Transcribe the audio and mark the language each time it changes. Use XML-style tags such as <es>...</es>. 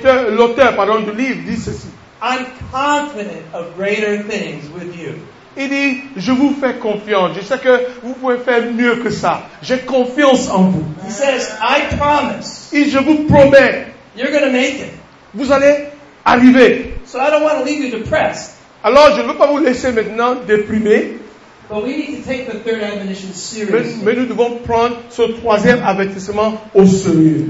<fr>L'auteur du livre dit ceci.</fr> <en>I'm confident of greater things with you.</en> <fr>Il dit, je vous fais confiance. Je sais que vous pouvez faire mieux que ça. J'ai confiance en vous.</fr> <en>He says, I promise.</en> <fr>Et je vous promets.</fr> <en>You're going to make it.</en> <fr>Vous allez arriver.</fr> <en>So I don't want to leave you depressed.</en> <fr>Alors, je ne veux pas vous laisser maintenant déprimer.</fr> <en>But we need to take the third admonition seriously.</en> <fr>Mais nous devons prendre ce troisième avertissement au sérieux.</fr>